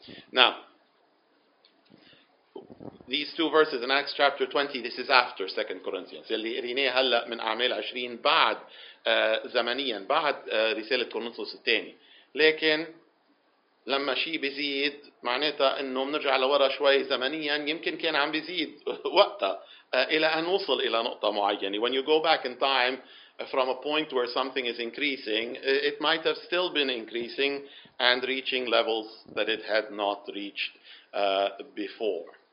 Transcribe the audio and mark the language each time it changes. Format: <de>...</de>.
<en>Now, these two verses in Acts chapter 20, this is after 2 Corinthians.</en> <ar>اللي قريناه هلا من أعمال 20 بعد زمنيا, بعد رسالة كورنثوس الثاني. لكن لما شيء بيزيد معناتها انه بنرجع لورا شوي زمنيا, يمكن كان عم بيزيد وقتها الى ان وصل الى نقطه معينه.</ar> <en>When you go back in time from a point where something is increasing, it might have still been increasing and reaching levels that it had not reached before.</en>